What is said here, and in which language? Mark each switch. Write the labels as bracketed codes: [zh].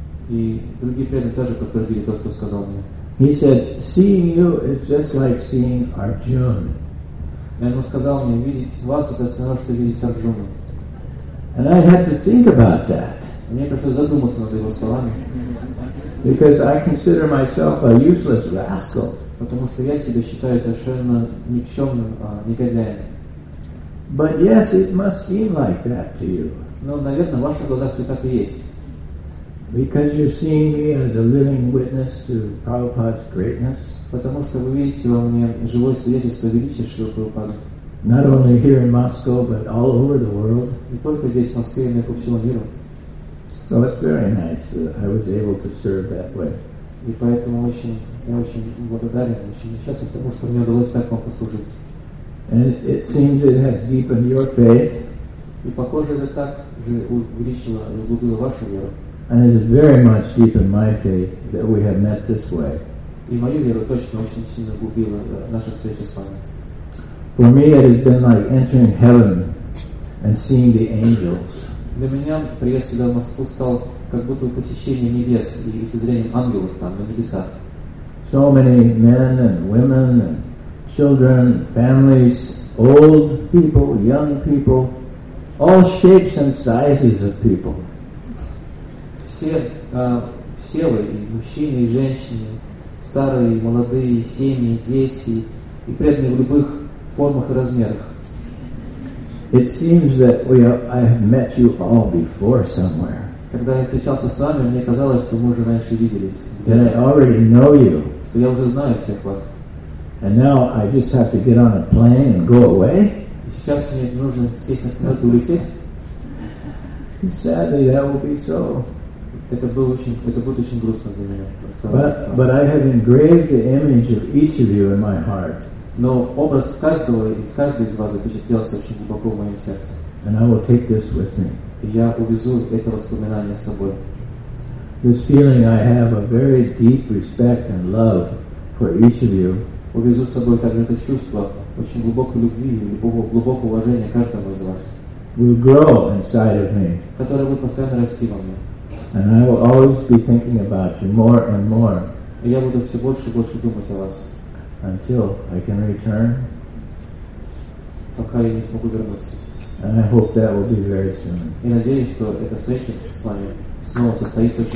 [ru] И другие преданные тоже подтвердили то, что сказал мне. [en] He said, "Seeing you is just like seeing Arjuna." [ru] И он сказал мне, видеть вас это все равно, что видеть Арджуну. [en] And I had to think about that. [ru] Мне пришлось задуматься над его словами. [en] Because I consider myself a useless rascal. [ru] Потому что я себя считаю совершенно никчемным негодяем. [en] But yes, it must seem like that to you. [ru] Но, наверное, в ваших глазах все так и есть. [en] Because you're seeing me as a living witness to Prabhupada's greatness. [ru] Потому что вы видите во мне живое свидетельство величия Шрилы Прабхупады. [en] Not only here in Moscow, but all over the world. [ru] Не только здесь в Москве, но и по всему миру. [en] So it's very nice that I was able to serve that way. [ru] И поэтому я очень благодарен, очень счастлив тому, что мне удалось так вам послужить. [en] And it seems it has deepened your faith. [ru] И похоже, это так же увеличило и углубило вашу веру. [en] And it is very much deep in my faith that we have met this way. [ru] И мою веру точно очень сильно углубила наша встреча с вами. [en] For me, it has been like entering heaven and seeing the angels. [ru] Для меня приезд сюда в Москву стал как будто посещение небес и созрением ангелов там на небесах. [en] So many men and women and children, families, old people, young people, all shapes and sizes of people. [ru] Все вы, и мужчины, и женщины, старые, и молодые, и семьи, и дети, и преданные в любых формах и размерах. [en] It seems that I have met you all before somewhere. [ru] Когда я встречался с вами, мне казалось, что мы уже раньше виделись. [en] That I already know you. [ru] Что я уже знаю всех вас. [en] And now I just have to get on a plane and go away. [ru] И сейчас мне нужно сесть на самолет и улететь. [en] Sadly, that will be so. [ru] Это будет очень грустно для меня. [en] But I have engraved the image of each of you in my heart. [ru] Но образ каждого из вас запечатлелся очень глубоко в моем сердце. [en] And I will take this with me. [ru] И я увезу это воспоминание с собой. [en] This feeling I have a very deep respect and love for each of you. [ru] Увезу с собой также это чувство очень глубокой любви и глубокого уважения каждому из вас. [en] Will grow inside of me. [ru] Которое будет постоянно расти во мне. [en] And I will always be thinking about you more and more. [ru] И я буду все больше и больше думать о вас. [en] Until I can return. [ru] Пока я не смогу вернуться. [en] And I hope that will be very soon. [ru] И надеюсь, что эта встреча с вами снова состоится очень